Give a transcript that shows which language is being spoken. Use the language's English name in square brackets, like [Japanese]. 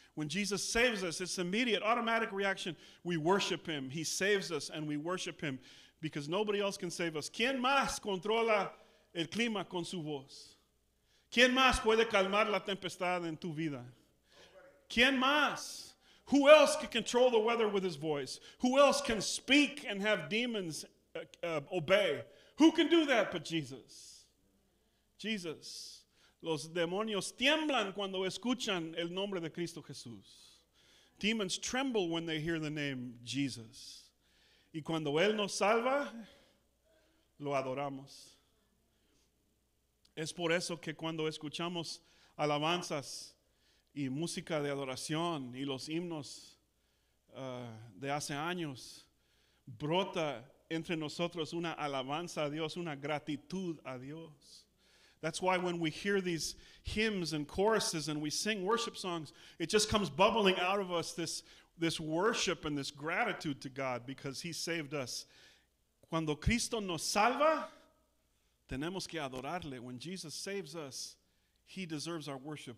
[English] When Jesus saves us, it's immediate, automatic reaction. We worship him. He saves us and we worship him because nobody else can save us. [Spanish] ¿Quién más controla el clima con su voz? ¿Quién más puede calmar la tempestad en tu vida? ¿Quién más? [English] Who else can control the weather with his voice? Who else can speak and have demons obey? Who can do that but Jesus? Jesus. [Spanish] Los demonios tiemblan cuando escuchan el nombre de Cristo Jesús. [English] Demons tremble when they hear the name Jesus. [Spanish] Y cuando Él nos salva, lo adoramos. Es por eso que cuando escuchamos alabanzas y música de adoración y los himnos de hace años, brota entre nosotros una alabanza a Dios, una gratitud a Dios. [English] That's why when we hear these hymns and choruses and we sing worship songs, it just comes bubbling out of us this worship and this gratitude to God because he saved us. [Spanish] Cuando Cristo nos salva, tenemos que adorarle. [English] When Jesus saves us, he deserves our worship.